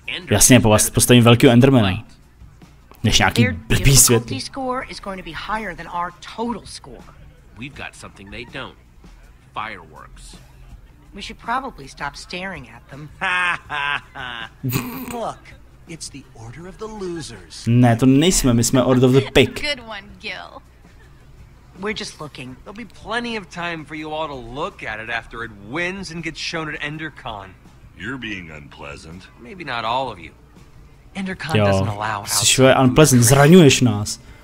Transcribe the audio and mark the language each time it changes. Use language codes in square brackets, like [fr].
[cs] Jasně, postavím velkýho Endermana. Než nějaký blbý světlo. [en] Their score is going to be higher than our total score. We've got something they don't. Fireworks. We should probably stop staring at them. Look, it's the order of the losers. [cs] Ne, to nejsme, my jsme [en] Order of the Pick. Good one, Gil. We're just looking. There'll be plenty of time for you all to look at it after it wins and gets shown at EnderCon. You're being unpleasant. Maybe not all of you. EnderCon doesn't allow us. [cs] Jo, jsi unpleasant, zraňuješ nás.